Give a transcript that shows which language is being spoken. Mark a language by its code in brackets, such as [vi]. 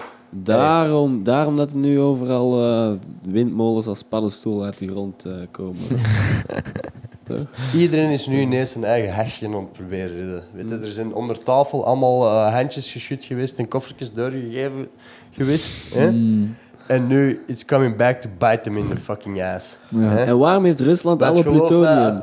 [nl] Daarom dat er nu overal windmolens als paddenstoel uit de grond komen. Iedereen is nu ineens zijn eigen hechtje aan het proberen. Weet je, er zijn onder tafel allemaal handjes geschud geweest en koffertjes doorgegeven geweest. En nu, [en] it's coming back to bite them in the fucking ass. [nl] En waarom heeft Rusland alle plutonium?